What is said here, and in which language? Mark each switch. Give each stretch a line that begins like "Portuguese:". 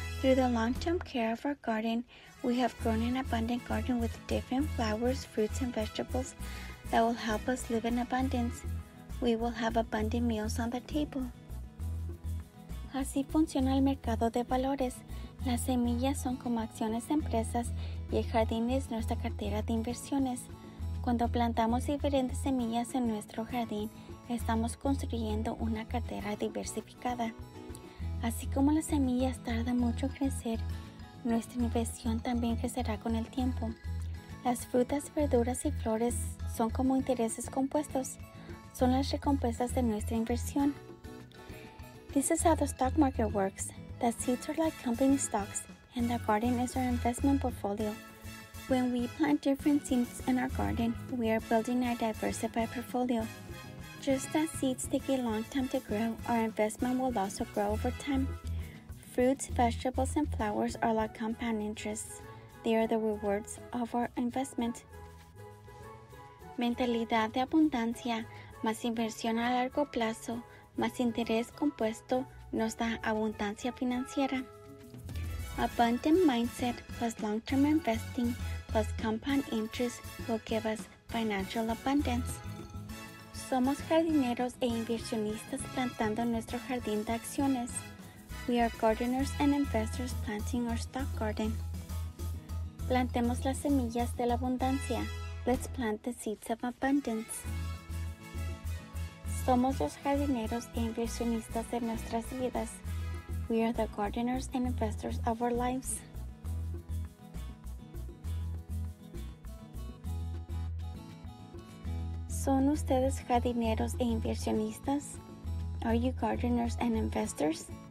English: Through the long-term care of our garden, we have grown an abundant garden with different flowers, fruits, and vegetables that will help us live in abundance. We will have abundant meals on the table.
Spanish: Así funciona el mercado de valores. Las semillas son como acciones de empresas y el jardín es nuestra cartera de inversiones. Cuando plantamos diferentes semillas en nuestro jardín, estamos construyendo una cartera diversificada. Así como las semillas tardan mucho en crecer, nuestra inversión también crecerá con el tiempo. Las frutas, verduras y flores son como intereses compuestos. Son las recompensas de nuestra inversión.
English: This is how the stock market works. The seeds are like company stocks, and the garden is our investment portfolio. When we plant different seeds in our garden, we are building our diversified portfolio. Just as seeds take a long time to grow, our investment will also grow over time. Fruits, vegetables, and flowers are like compound interests. They are the rewards of our investment.
Spanish: Mentalidad de abundancia, más inversión a largo plazo, más interés compuesto, nos da abundancia financiera.
English: Abundant mindset plus long-term investing plus compound interest will give us financial abundance.
Spanish: Somos jardineros e inversionistas plantando nuestro jardín de acciones.
English: We are gardeners and investors planting our stock garden.
Spanish: Plantemos las semillas de la abundancia.
English: Let's plant the seeds of abundance.
Spanish: Somos los jardineros e inversionistas de nuestras vidas.
English: We are the gardeners and investors of our lives.
Spanish: ¿Son ustedes jardineros e inversionistas?
English: Are you gardeners and investors?